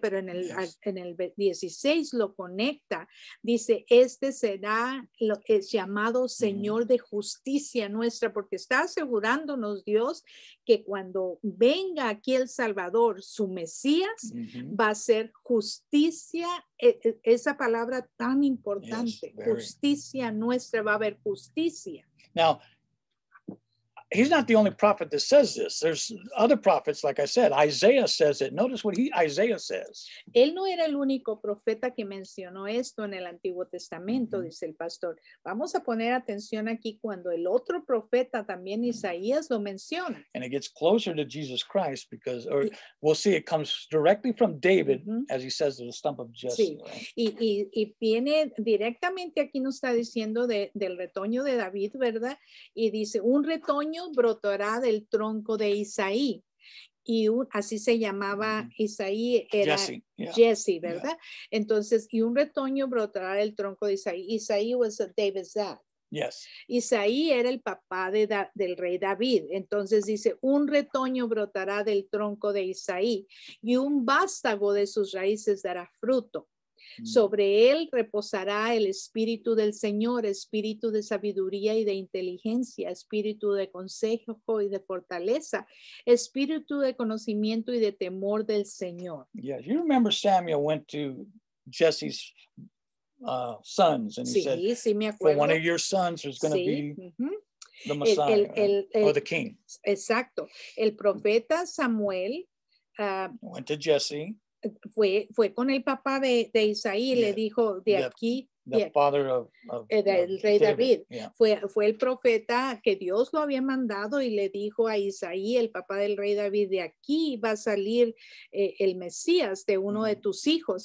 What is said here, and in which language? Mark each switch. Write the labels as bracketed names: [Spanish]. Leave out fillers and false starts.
[Spanish] Pero en el 16 lo conecta, dice este será lo que es llamado Señor de justicia nuestra, porque está asegurándonos Dios que cuando venga aquí el Salvador, su Mesías, va a ser justicia, esa palabra tan importante, justicia nuestra, va a haber justicia. [English] Now, he's not the only prophet that says this. There's other prophets, like I said, Isaiah says it. Notice what Isaiah says. [Spanish] Él no era el único profeta que mencionó esto en el Antiguo Testamento, dice el pastor. Vamos a poner atención aquí cuando el otro profeta también Isaías lo menciona. And it gets closer to Jesus Christ because we'll see it comes directly from David, as he says to the stump of Jesse. Sí. Y viene directamente aquí nos está diciendo del retoño de David, ¿verdad? Y dice, un retoño brotará del tronco de Isaí, y así se llamaba Isaí, era Jesse, ¿verdad? Entonces, y un retoño brotará del tronco de Isaí. [English] Isaí was David's dad. Yes. [Spanish] Isaí era el papá del rey David. Entonces dice, un retoño brotará del tronco de Isaí, y un vástago de sus raíces dará fruto. Sobre él reposará el espíritu del Señor, espíritu de sabiduría y de inteligencia, espíritu de consejo y de fortaleza, espíritu de conocimiento y de temor del Señor. [English] Yes, you remember Samuel went to Jesse's sons and he said, for one of your sons is going to be the Messiah or the king. [Spanish] Exacto. El profeta Samuel [English] went to Jesse. [Spanish] Fue con el papá de Isaí, le dijo el rey David. [English] David. Yeah. [Spanish] Fue el profeta que Dios lo había mandado y le dijo a Isaí, el papá del rey David, de aquí va a salir el Mesías de uno de tus hijos.